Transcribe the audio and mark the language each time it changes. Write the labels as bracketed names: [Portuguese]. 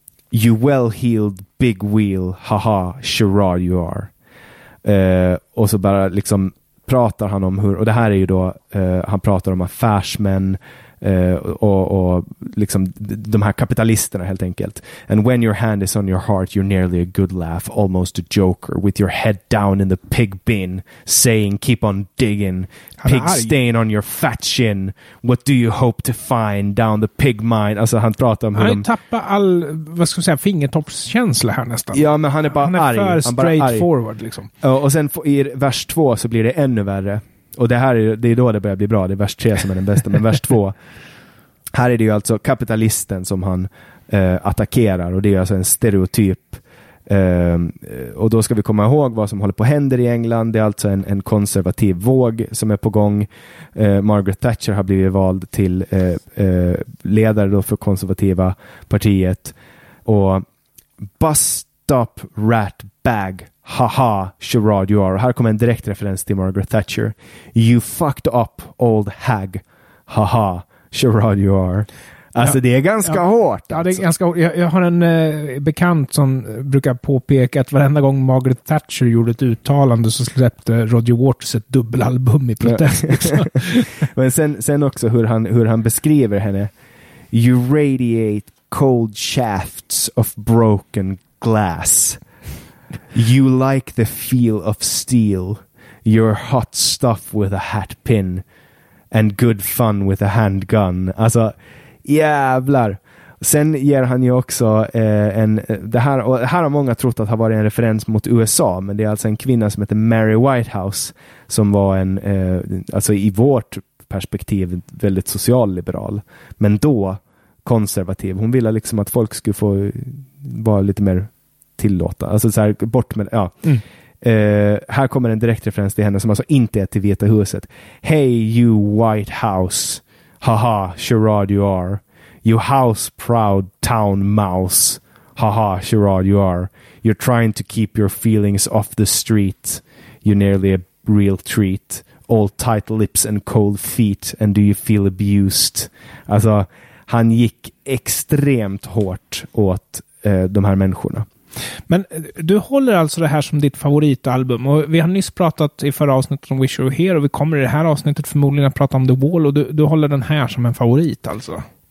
[English] You well-heeled big wheel, haha, charade you are. [Swedish] Och så bara liksom pratar han om hur, och det här är ju då, han pratar om affärsmän, och liksom de här kapitalisterna helt enkelt. [English] And when your hand is on your heart, you're nearly a good laugh, almost a joker, with your head down in the pig bin, saying keep on digging, pig stain on your fat chin, what do you hope to find down the pig mine. [Swedish] Alltså han pratar om hur han tappar all, vad ska man säga, fingertoppskänsla här nästan. Ja, men han är bara arg. Han är för straightforward liksom. Och sen i vers 2 så blir det ännu värre. Och det här är, det är då det börjar bli bra. Det är vers 3 som är den bästa, men vers 2. Här är det ju alltså kapitalisten som han attackerar. Och det är alltså en stereotyp. Och då ska vi komma ihåg vad som håller på händer i England. Det är alltså en konservativ våg som är på gång. Margaret Thatcher har blivit vald till ledare då för konservativa partiet. Och [English] bus stop rat bag. Haha, charade you are. [Swedish] Här kommer en direkt referens till Margaret Thatcher. [English] You fucked up, old hag. Haha, charade you are. [Swedish] Alltså ja, det är ganska hårt. Ja, det är ganska hårt. Jag har en bekant som brukar påpeka att varenda gång Margaret Thatcher gjorde ett uttalande så släppte Roger Waters ett dubbelalbum i protest. Ja. Men sen också hur han beskriver henne. [English] You radiate cold shafts of broken glass. You like the feel of steel. You're hot stuff with a hat pin and good fun with a handgun. [Swedish] Alltså jävlar. Sen ger han ju också det här har många trott att ha varit en referens mot USA, men det är alltså en kvinna som heter Mary Whitehouse som var en alltså i vårt perspektiv väldigt socialliberal, men då konservativ. Hon ville liksom att folk skulle få vara lite mer tillåta, alltså så här, bort med, ja. Mm. Här kommer en direktreferens till henne som alltså inte är till Vita huset. [English] Hey you White House, haha, charade you are. You house proud town mouse, haha, charade you are. You're trying to keep your feelings off the street, you're nearly a real treat. All tight lips and cold feet, and do you feel abused? [Swedish] Alltså, han gick extremt hårt åt de här människorna. Men du håller alltså det här som ditt favoritalbum, och vi har nyss pratat i förra avsnittet om Wish You Were Here, och vi kommer i det här avsnittet förmodligen att prata om The Wall, och du håller den här som en favorit alltså?